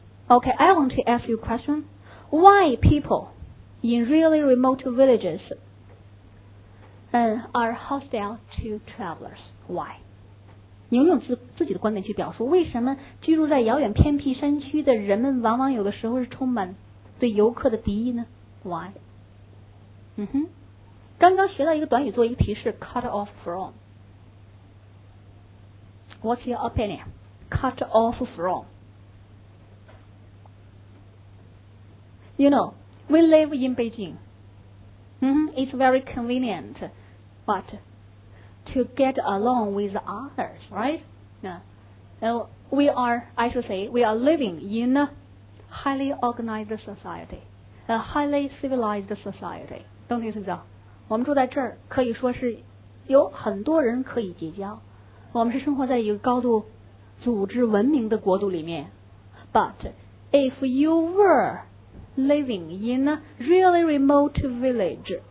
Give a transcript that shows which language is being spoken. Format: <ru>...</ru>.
<en>Okay, I want to ask you a question. Why people? In really remote villages, are hostile to travelers. Why?</en> <zh>你用自己的观点去表述，为什么居住在遥远偏僻山区的人们往往有的时候是充满对游客的敌意呢 ？Why? 刚刚学到一个短语做一个提示 ，cut off from.</zh> <en>What's your opinion? Cut off from. You know. We live in Beijing. It's very convenient, but to get along with others, right? We are living in a highly organized society, a highly civilized society. Don't you think so?</en> <zh>我们住在这儿，可以说是有很多人可以结交，我们是生活在一个高度组织文明的国度里面。</zh> <en>But if you were living in a really remote village,</en>